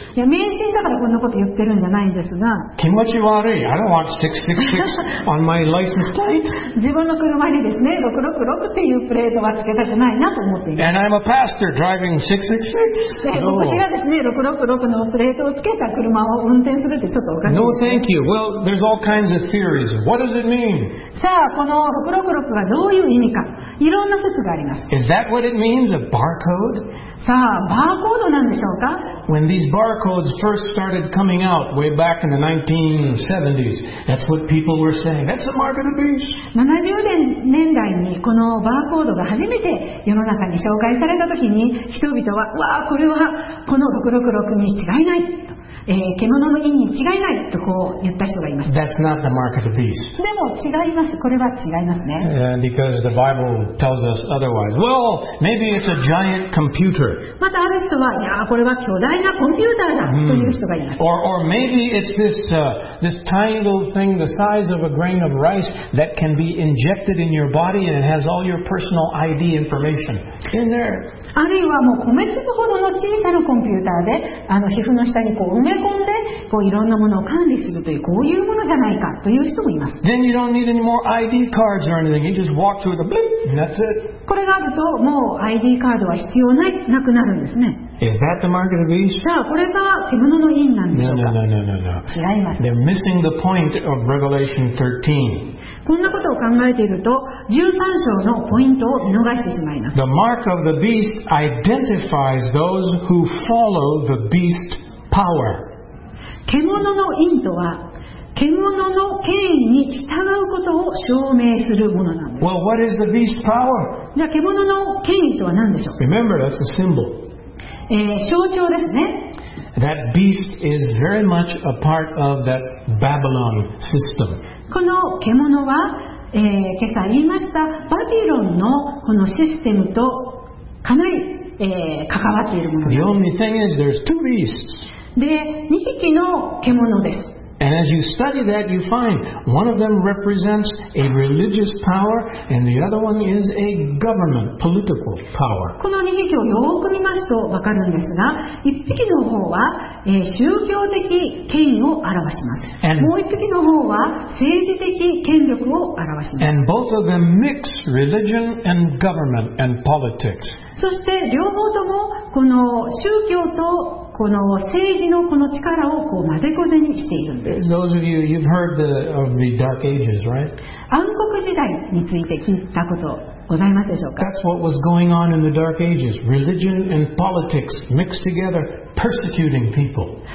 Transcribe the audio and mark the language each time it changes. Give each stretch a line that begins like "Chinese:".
Japanese: いや、迷信だからこんなこと言ってるんじゃないんですが。気持ち悪い。
English: I don't want 666 on my license plate.
Japanese: 自分の車にですね、666っていうプレートはつけたくないなと思っています。
English: And I'm a pastor driving 666.
Japanese: 私がですね、666のプレートをつけた車を運転するってちょっとおかしい。
English: No, thank you. Well, there's all kinds of theories. What does it mean?
Japanese: さあ、この666はどういう意味か。いろんな説があります。
English: Is that what it means, a barcode?
Japanese: さあ、バーコードなんでしょうか?
English: When these barcodes first started coming out way back in the 1970s, that's what people were saying. That's the mark of the beast.
Japanese: 70年代にこのバーコードが初めて世の中に紹介されたときに、人々は、わあ、これはこの666に違いない。獣の意に違いないとこう言った人がいました。
English: That's not the mark of the beast.
Japanese: でも違います。これは違いますね。
English: Because the Bible tells us otherwise. Well, maybe it's a giant computer.
Japanese: またある人は、いやこれは巨大なコンピューターだという人がいます。
English: Or maybe it's this tiny little thing the size of a grain of rice that can be injected in your body and it has all your personal ID information in there.
Japanese: あるいはもう米粒ほどの小さなコンピューターであの皮膚の下にこう埋め込んでこういろんなものを管理するというこういうものじゃないかという人もいます。
English: Then you don't need any more ID cards or anything. You just walk through the blip and that's it.
Japanese: これがあるともう ID カードは必要ない、なくなるんですね。
English: Is that the mark of the beast?
Japanese: さあこれが獣の印なんでしょうか?
English: No.
Japanese: 違います。
English: They're missing the point of Revelation 13.
Japanese: こんなことを考えていると13章のポイントを見逃してしまいます。
English: The mark of the beast identifies those who follow the beast's power.
Japanese: 獣の印とは獣の権威に従うことを証明するものなんです。
English: Well, what is the beast's power?
Japanese: じゃあ獣の権威とは何でしょう?
English: Remember, that's a symbol.
Japanese: 象徴ですね。
English: That beast is very much a part of that Babylon system.
Japanese: この獣は、今朝言いましたバビロンのこのシステムとかなり、関わっているものです。
English: The only thing is there's two beasts.
Japanese: で、2匹の獣です。
English: And as you study that, you find one of them represents a religious power, and the other one is a government, political power.
Japanese: この2匹をよく見ますと分かるんですが、1匹の方は、宗教的権威を表します。
English: And、
Japanese: もう1匹の方は政治的権力を表します。
English: And both of them mix religion and government and politics.
Japanese: そして両方ともこの宗教とこの政治のこの力をこう混ぜこぜにしているんです。
English: Those of you, you've heard of the Dark Ages, right?
Japanese: 暗黒時代について聞いたことございますでしょうか?
English: That's what was going on in the Dark Ages. Religion and politics mixed together, persecuting people.